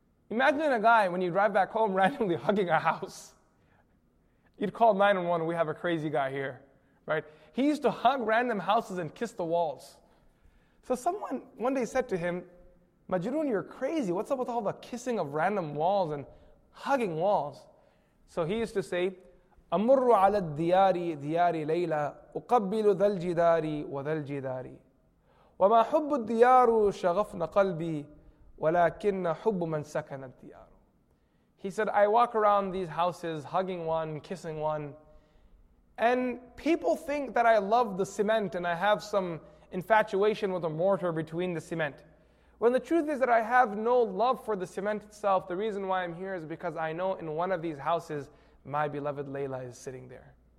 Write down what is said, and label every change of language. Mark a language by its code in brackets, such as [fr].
[en] Imagine a guy, when you drive back home, randomly hugging a house. You'd call 911, we have a crazy guy here, right? He used to hug random houses and kiss the walls. So someone one day said to him, Majnun, you're crazy. What's up with all the kissing of random walls and hugging walls? So he used to say, [ar] أَمُرُّ عَلَى الدِّيَارِ دِيَارِ لَيْلَى أُقَبِّلُ ذَا الْجِدَارِ وَذَا الْجِدَارِ وَمَا حُبُّ الدِّيَارُ شَغَفْنَ قَلْبِي وَلَكِنَّ حُبُّ مَنْ سَكَنَ الدِّيَارُ. [en] He said, I walk around these houses, hugging one, kissing one, and people think that I love the cement and I have some infatuation with a mortar between the cement. When the truth is that I have no love for the cement itself, the reason why I'm here is because I know in one of these houses, my beloved Layla is sitting there.